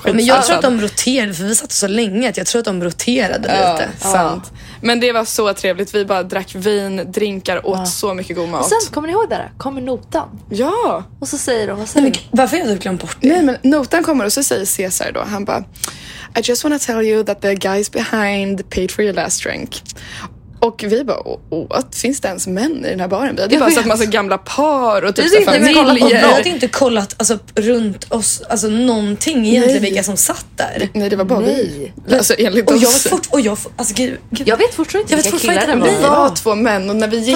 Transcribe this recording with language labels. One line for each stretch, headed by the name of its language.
Swedish: men jag tror att de roterade, för vi satt så länge. Jag tror att de roterade lite. Sant. Men det var så trevligt. Vi bara drack vin, drinkar, åt så mycket god mat. Och sen, kommer ni ihåg det där? Kommer notan? Ja. Och så säger de, vad säger men, varför har du glömt bort det? Nej, men notan kommer och så säger Cesar då. Han bara,
English: I just want to tell you that the guys behind paid for your last drink.
Swedish: Och vi bara, what? Finns det ens män i den här baren? Vi hade bara satt massa gamla par och typ såhär familjer. Vi hade inte kollat alltså, runt oss, alltså någonting egentligen, vilka som satt där. Nej, det var bara vi. Alltså enligt och oss. Jag fort, och jag, alltså, jag vet fortfarande inte. Jag vet fortfarande inte vilka killar det var. Vi var två män och när vi gick